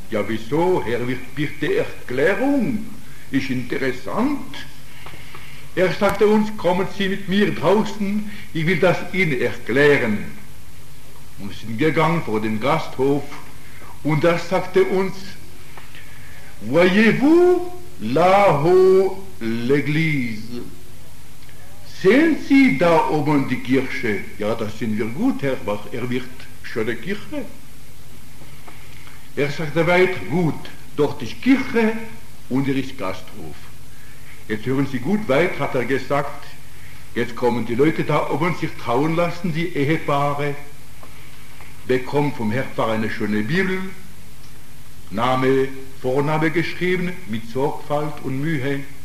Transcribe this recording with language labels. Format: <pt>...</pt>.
<de>Ja, wieso, Herr Wirt, bitte Erklärung, ist interessant. Er sagte uns, kommen Sie mit mir draußen, ich will das Ihnen erklären. Und wir sind gegangen vor den Gasthof und er sagte uns,</de> <fr>Voyez-vous là-haut l'église?</fr> <de>Sehen Sie da oben die Kirche? Ja, das sind wir gut, Herr Bach, er wird schöne Kirche. Er sagte weiter, gut, dort ist Kirche und hier ist Gasthof. Jetzt hören Sie gut weit, hat er gesagt, jetzt kommen die Leute da oben sich trauen lassen, die Ehepaare, bekommen vom Herr Pfarrer eine schöne Bibel, Name, Vorname geschrieben, mit Sorgfalt und Mühe.</de>